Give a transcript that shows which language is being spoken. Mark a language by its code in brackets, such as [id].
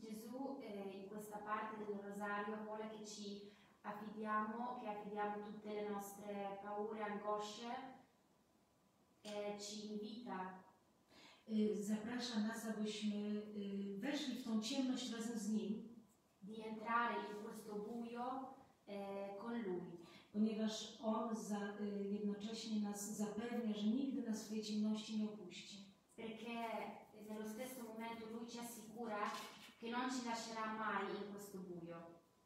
[it] Gesù in questa parte del rosario vuole che ci affidiamo tutte le nostre paure, angosce, e ci invita. [pl] Zaprasza nas, abyśmy weszli w tą ciemność razem z Nim. [it] Di entrare in questo buio con Lui. [pl] Ponieważ On jednocześnie nas zapewnia, że nigdy nas w tej ciemności nie opuści. [it] Perché nello stesso momento Lui ci assicura che non ci lascerà mai in questo buio.